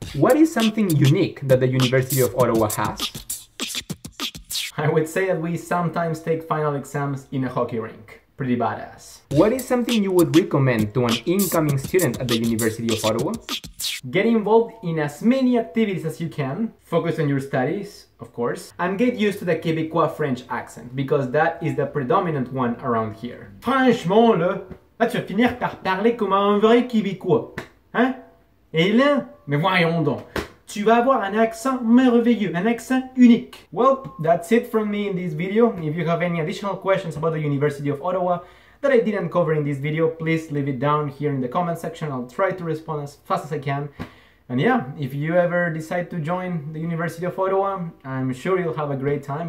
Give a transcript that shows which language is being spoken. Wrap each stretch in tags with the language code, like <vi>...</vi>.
<en>What is something unique that the University of Ottawa has? I would say that we sometimes take final exams in a hockey rink. Pretty badass. What is something you would recommend to an incoming student at the University of Ottawa? Get involved in as many activities as you can, focus on your studies, of course, and get used to the Quebecois French accent, because that is the predominant one around here.</en> <fr>Franchement, là, là tu vas finir par parler comme un vrai Québécois, hein? Et là, mais voyons donc, tu vas avoir un accent merveilleux, un accent unique.</fr> <en>Well, that's it from me in this video. If you have any additional questions about the University of Ottawa that I didn't cover in this video, please leave it down here in the comment section. I'll try to respond as fast as I can. And yeah, if you ever decide to join the University of Ottawa, I'm sure you'll have a great time.</en>